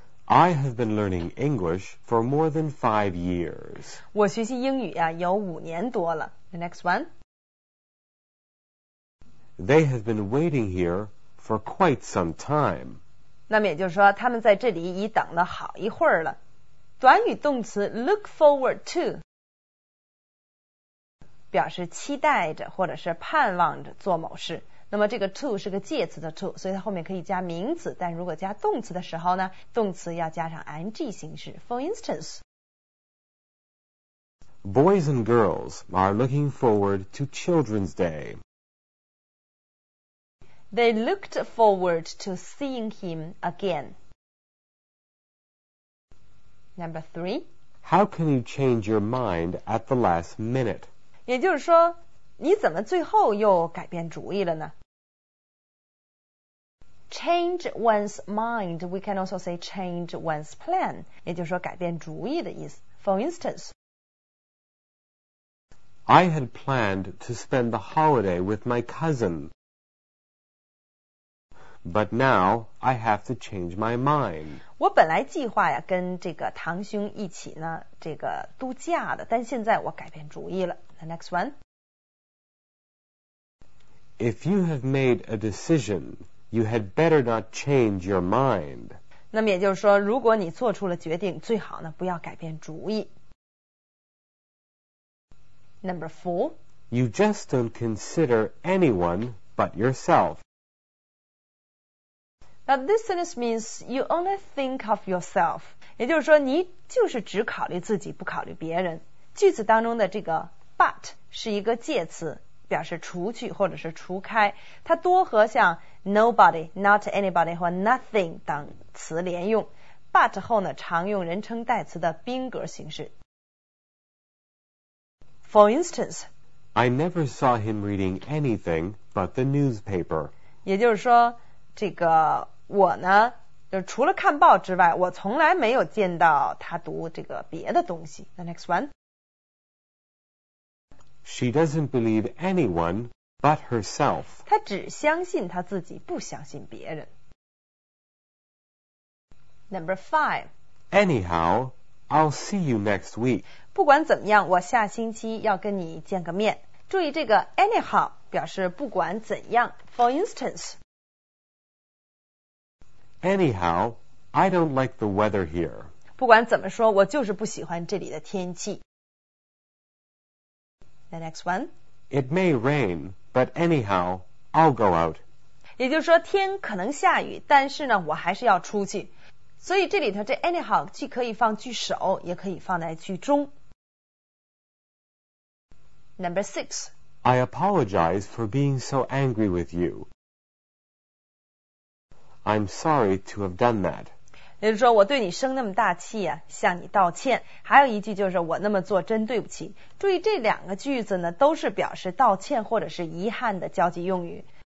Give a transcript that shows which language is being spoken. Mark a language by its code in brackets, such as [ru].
[en] I have been learning English for more than 5 years. [zh] 我学习英语啊有5年多了。 [en] The next one They have been waiting here for quite some time. [zh] 那么也就是说他们在这里已等了好一会儿了。短语动词 [en] look forward to [zh] 表示期待着或者是盼望着做某事。那么这个 to 是个介词的 to， 所以它后面可以加名词，但如果加动词的时候呢，动词要加上 ing 形式。 [en] For instance, Boys and girls are looking forward to Children's Day. They looked forward to seeing him again. Number three. How can you change your mind at the last minute? [zh] 也就是说，你怎么最后又改变主意了呢？ [en] Change one's mind, we can also say change one's plan. [zh] 也就是说改变主意的意思。 [en] For instance, I had planned to spend the holiday with my cousin. But now, I have to change my mind. [zh] 我本来计划呀跟这个堂兄一起呢这个度假的，但现在我改变主意了。 [en] The next one. If you have made a decision, you had better not change your mind. [zh] 那么也就是说，如果你做出了决定，最好呢不要改变主意。 [en] Number four. You just don't consider anyone but yourself. Now, this sentence means you only think of yourself. [zh] 也就是说你就是只考虑自己不考虑别人。句子当中的这个 but 是一个介词，表示除去或者是除开。它多和像 nobody, not anybody 或 nothing 等词连用。 but 后呢常用人称代词的宾格形式。 [en] For instance, I never saw him reading anything but the newspaper. [zh] 也就是说这个我呢就除了看报之外我从来没有见到他读这个别的东西。 [en] The next one. She doesn't believe anyone but herself. [zh] 她只相信她自己不相信别人。 [en] Number five. Anyhow, I'll see you next week. [zh] 不管怎么样我下星期要跟你见个面。注意这个 anyhow 表示不管怎样。 [en] For instance, Anyhow, I don't like the weather here. [zh] 不管怎么说，我就是不喜欢这里的天气。 [en] The next one. It may rain, but anyhow, I'll go out. [zh] 也就是说天可能下雨，但是呢我还是要出去。所以这里头这 anyhow 既可以放句首，也可以放在句中。 [en] Number six. I apologize for being so angry with you. I'm sorry to have done that. [zh] 也就是说我对你生那么大气啊，向你道歉。还有一句就是我那么做真对不起。注意这两个句子呢都是表示道歉或者是遗憾的交际用语。